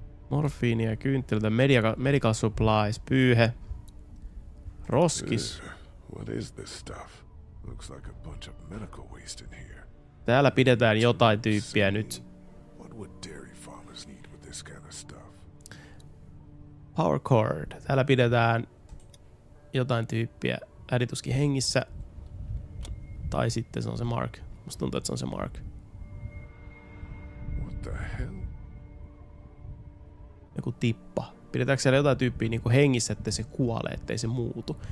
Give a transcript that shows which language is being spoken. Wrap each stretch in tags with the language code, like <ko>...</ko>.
<fi>Morfiinia, kynttilöitä,</fi> <en>medical supplies,</en> <fi>pyyhe. Roskis.</fi> <en>What is this stuff? Looks like a bunch of medical waste in here.</en> <fi>Täällä pidetään jotain tyyppiä nyt.</fi> <en>What would dairy farmers need with this kind of stuff? Power cord.</en> <fi>Täällä pidetään jotain tyyppiä. Äiti tuskin hengissä. Tai sitten se on se Mark. Musta tuntuu, että se on se Mark.</fi> <en>What the hell?</en> <fi>Joku tippa. Pidetäänkö siellä jotain tyyppiä niin kuin hengissä, ettei se kuole, ettei se muutu.</fi>